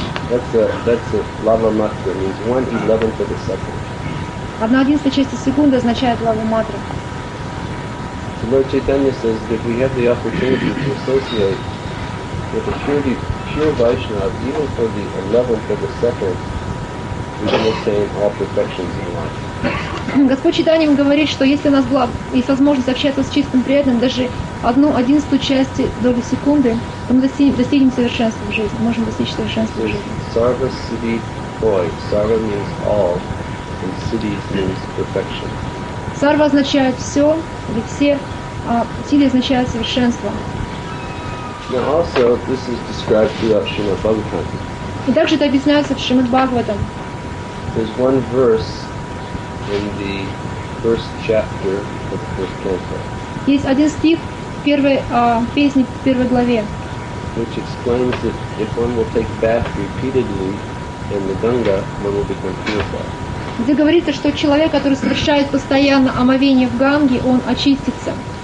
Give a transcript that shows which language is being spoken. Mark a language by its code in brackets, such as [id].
[en] That's a lava matra means 1/11 of a second. [ru] Одна одиннадцатая часть секунды означает лава матра. [en] So Lord Chaitanya says that we have the opportunity to associate with a pure Vaishnava even for the 11th of a second, we can attain all perfections in life. [ru] Господь Чайтанья говорит, что если у нас была есть возможность общаться с чистым преданным, даже одну одиннадцатую часть доли секунды, то мы достигнем совершенства в жизни, можем достичь совершенства в жизни. [bn] Sarva siddhi poi. [en] Sarva means all, and siddhi means perfection. [ru] Sarva означает все, или все, а siddhi означает совершенство. [en] Now also, this is described throughout Srimad Bhagavatam. [ru] И также это объясняется в Шримад Бхагаватам. [en] There's one verse in the first chapter of the first Psalter. [ru] Есть один стих первой песни в первой главе. [en] Which explains that if one will take bath repeatedly in the Ganga, one will become purified. [ru] Где говорится, что человек, который совершает постоянно омовение в Ганге, он очистится.